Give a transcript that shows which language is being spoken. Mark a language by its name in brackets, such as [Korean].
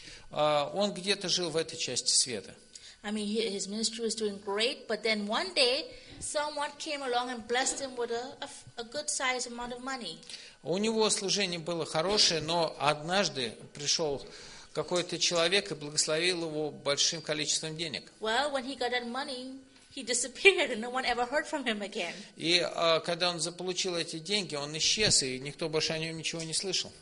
[Russian] Он где-то жил в этой части света. [English] I mean, his ministry was doing great, but then one day, someone came along and blessed him with a good-sized amount of money. [Russian] У него служение было хорошее, но однажды пришел какой-то человек и благословил его большим количеством денег. [English] Well, when he got that money, he disappeared, and no one ever heard from him again. [Russian] И когда он заполучил эти деньги, он исчез, и никто больше о нем ничего не слышал.